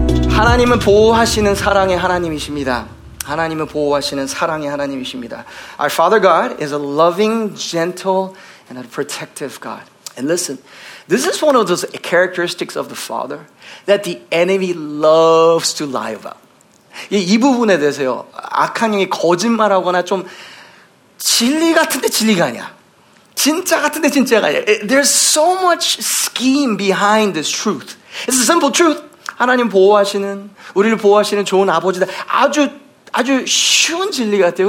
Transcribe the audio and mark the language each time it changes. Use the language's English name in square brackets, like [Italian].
[Korean] 하나님은 보호하시는 사랑의 하나님이십니다. 하나님은 보호하시는 사랑의 하나님이십니다. [English] Our Father God is a loving, gentle, and a protective God. And listen, this is one of those characteristics of the Father that the enemy loves to lie about. [Korean] 이 부분에 대해서요, 악한 영이 거짓말하거나 좀 진리 같은데 진리가 아니야. 진짜 같은데 진짜가 아니야. [English] There's so much scheme behind this truth. It's a simple truth. [Korean] 하나님 보호하시는, 우리를 보호하시는 좋은 아버지다. 아주 아주 쉬운 진리 같아요.